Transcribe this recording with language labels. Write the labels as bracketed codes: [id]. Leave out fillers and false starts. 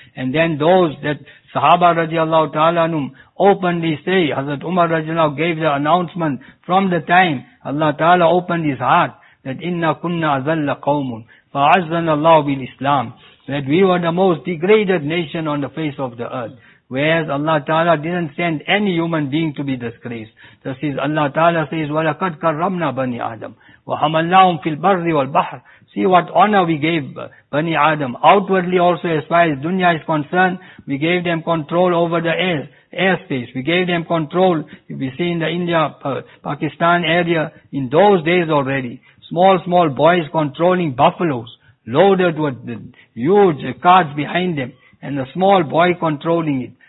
[en] And then those that Sahaba radiallahu ta'ala anum openly say, Hazrat Umar radiallahu gave the announcement from the time Allah Ta'ala opened his heart that [ar] inna kunna azalla qawmun fa'azzana Allah bil Islam. [en] That we were the most degraded nation on the face of the earth. Whereas Allah Ta'ala didn't send any human being to be disgraced. This is Allah Ta'ala says, [ar] وَلَقَدْ كَرَّمْنَا بَنِي آدَمْ وَحَمَلْنَاهُمْ فِي الْبَرِّ وَالْبَحْرِ. [en] See what honor we gave Bani Adam. Outwardly also, as far as dunya is concerned, we gave them control over the airspace. We gave them control, if we see in the India, Pakistan area, in those days already, small boys controlling buffaloes, loaded with huge carts behind them, and a small boy controlling it.